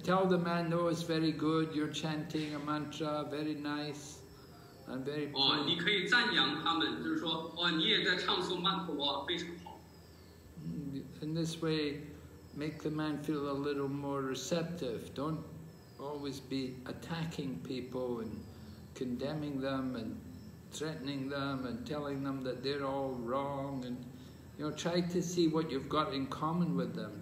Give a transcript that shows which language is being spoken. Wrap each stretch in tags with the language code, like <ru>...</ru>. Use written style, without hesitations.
<en>Tell the man, no, it's very good, you're chanting a mantra, very nice, and very good.</en> <zh>你可以赞扬他们，就是说，哦，你也在唱诵曼陀罗，非常好。</zh> <en>In this way, make the man feel a little more receptive. Don't always be attacking people and condemning them and threatening them and telling them that they're all wrong and, you know, try to see what you've got in common with them.</en>